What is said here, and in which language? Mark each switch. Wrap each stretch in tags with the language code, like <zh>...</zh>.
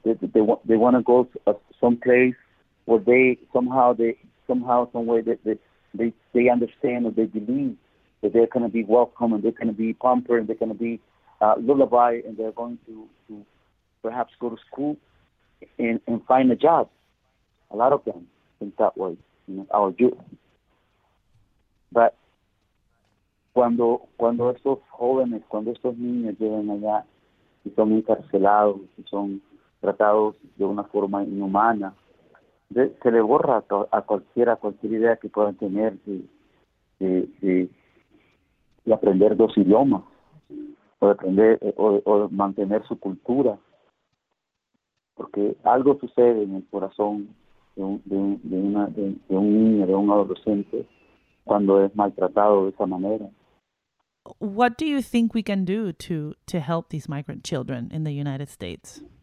<en>They wanna go to some place where somehow, some way, they understand or they believe that they're going to be welcome and they're going to be pampered and they're going to be lullaby and they're going to perhaps go to school and find a job. A lot of them think that way, you know, our youth.</en> <es>But cuando estos jóvenes, cuando estos niños llegan allá y son encarcelados y son tratados de una forma inhumana, se le borra a cualquier idea que puedan tener de aprender dos idiomas o mantener su cultura, porque algo sucede en el corazón de un niño, de un adolescente, cuando es maltratado de esa manera.</es> <en>What do you think we can do to help these migrant children in the United States?</en>